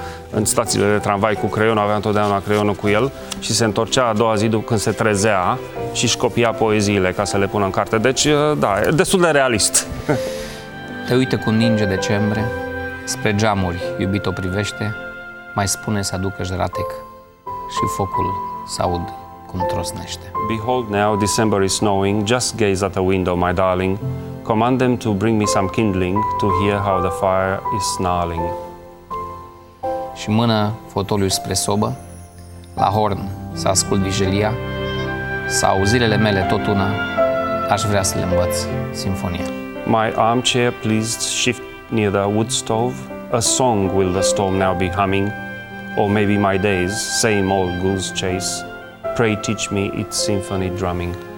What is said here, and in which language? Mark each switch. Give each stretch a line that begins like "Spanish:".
Romanian: În stațiile de tramvai cu creionul, avea întotdeauna creionul cu el și se întorcea a doua zi după când se trezea și își copia poeziile ca să le pună în carte. Deci, da, e destul de realist. Te uită cu ninge decembre, spre geamuri iubit o privește, mai spune să aducă jratec și focul s-aud cum trosnește.
English: Behold now, December is snowing, just gaze at the window, my darling. Command them to bring me some kindling to hear how the fire is snarling.
Romanian: Și mână fotoliul spre sobă, la horn să ascult vijelia, sau zilele mele tot una, aș vrea să le învăț simfonia.
English: My armchair pleased shift near the wood stove, a song will the storm now be humming, or maybe my days, same old goose chase, pray teach me its symphony drumming.